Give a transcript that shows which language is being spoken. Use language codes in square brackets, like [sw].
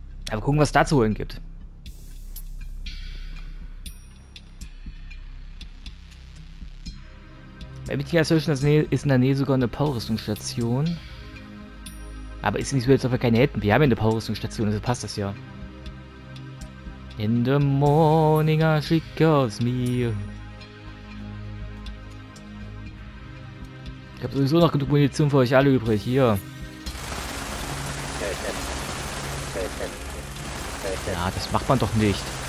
[de] Aber gucken, was es da zu holen gibt. Wenn ich das höre, ist in der Nähe sogar eine Power-Rüstungsstation. Aber ist nicht so, als ob wir keine hätten. Wir haben ja eine Power-Rüstungsstation, also passt das ja. [en] In the morning she calls me. [de] Ich hab sowieso noch genug Munition für euch alle übrig, hier. Ja, das macht man doch nicht.